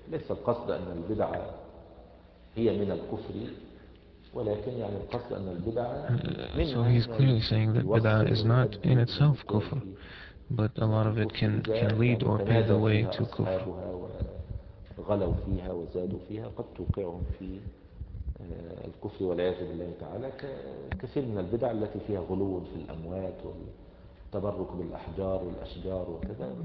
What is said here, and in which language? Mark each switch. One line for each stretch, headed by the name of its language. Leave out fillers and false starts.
Arabic: ليس القصد أن البدعة هي من الكفر، ولكن يعني القصد أن البدعة من
English: so he's clearly saying that bid'ah is not in itself kufr, but a lot of it can lead or pave the way to kufr.
Arabic: غلوا فيها وزادوا فيها قد توقعهم في الكفر والعياذ بالله تعالى، كثير من البدع التي فيها غلو في الأموات والتبرك بالأحجار والأشجار وكذا.